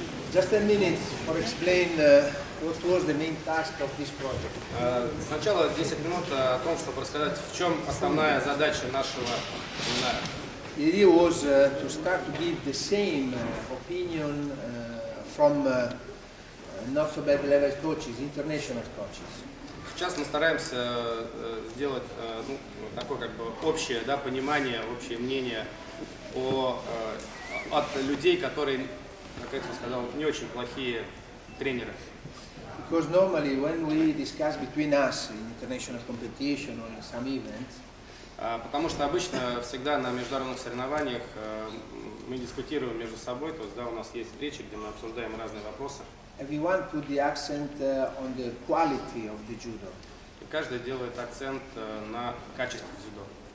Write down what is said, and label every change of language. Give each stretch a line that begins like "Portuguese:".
English: Just a minute for explain what was the main task of this project.
Russian: Сначала 10 минут о том, чтобы рассказать, в чем основная задача нашего семинара.
English: It was to start to give the same opinion from not so bad level coaches, international coaches.
Russian: Сейчас мы стараемся сделать ну, такое как бы общее, да, понимание, общее мнение о, от людей, которые, как я сказал, не очень плохие тренеры.
English: Because normally when we discuss between us in international competition or in some event,
Russian: потому что обычно всегда на международных соревнованиях мы дискутируем между собой, то есть да, у нас есть встречи, где мы обсуждаем разные вопросы.
English: Everyone put the accent on the quality of the judo.
Russian: И каждый делает акцент на качестве дзюдо.